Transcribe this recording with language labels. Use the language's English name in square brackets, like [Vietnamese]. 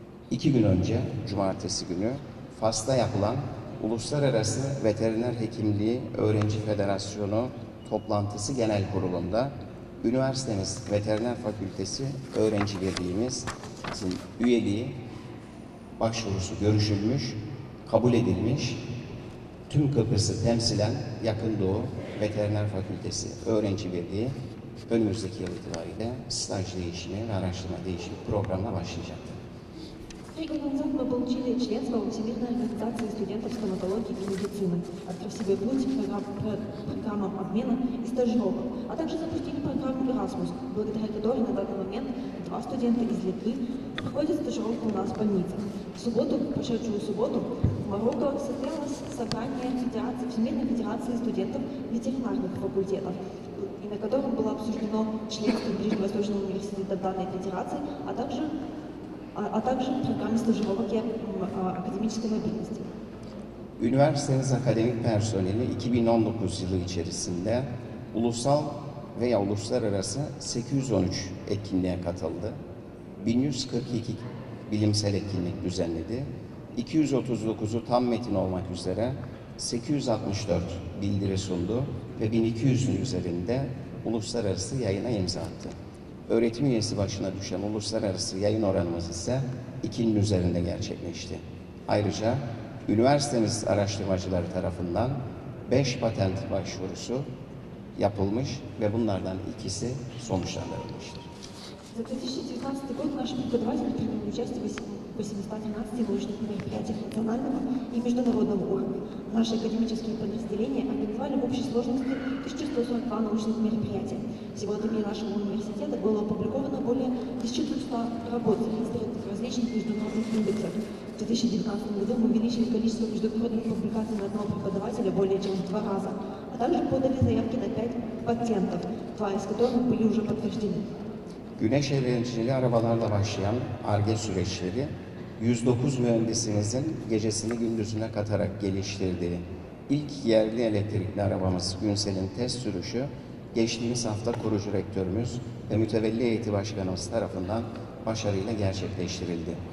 [Turkish] İki gün önce, cumartesi günü, Fas'ta yapılan Uluslararası Veteriner Hekimliği Öğrenci Federasyonu toplantısı genel kurulunda üniversitemiz Veteriner Fakültesi Öğrenci Birliğimizin üyeliği başvurusu görüşülmüş, kabul edilmiş, tüm Kıbrıs'ı temsilen Yakın Doğu Veteriner Fakültesi Öğrenci Birliği önümüzdeki yıl itibariyle staj değişimi ve araştırma değişimi programına başlayacaktır. [Russian] 3 года назад мы получили членство во Всемирной организации студентов стоматологии и медицины, открыв себе путь к программам обмена и стажировок, а также запустили программу Erasmus, благодаря которой на данный момент два студента из Литвы проходят стажировку у нас в больницах. В субботу, прошедшую субботу, в Марокко состоялось собрание федерации, Всемирной федерации студентов ветеринарных факультетов, и на котором было обсуждено членство Ближневосточного университета данной федерации, а также программы стажировок и академической мобильности. [Turkish] Üniversitemiz akademik personeli 2019 yılı içerisinde ulusal veya uluslararası 813 etkinliğe katıldı. 1142 bilimsel etkinlik düzenledi. 239'u tam metin olmak üzere 864 bildiri sundu ve 1200'ün üzerinde uluslararası yayına imza attı. Öğretim üyesi başına düşen uluslararası yayın oranımız ise 2'nin üzerinde gerçekleşti. Ayrıca üniversitemiz araştırmacıları tarafından 5 patent başvurusu yapılmış ve bunlardan ikisi sonuçlandırılmıştır. [Russian] За 2019 год наши преподаватели приняли участие в 813 научных мероприятиях национального и международного уровня. Наши академические подразделения организовали в общей сложности 1142 научных мероприятия. Всего от имени нашего университета было опубликовано более 1200 работ в различных международных индексах. В 2019 году мы увеличили количество международных публикаций на одного преподавателя более чем в 2 раза, а также подали заявки на 5 патентов, 2 из которых были уже подтверждены. [Turkish] Güneş enerjili arabalarla başlayan ARGE süreçleri, 109 mühendisimizin gecesini gündüzüne katarak geliştirdiği ilk yerli elektrikli arabamız Günsel'in test sürüşü, geçtiğimiz hafta kurucu rektörümüz ve mütevelli eğitim başkanımız tarafından başarıyla gerçekleştirildi.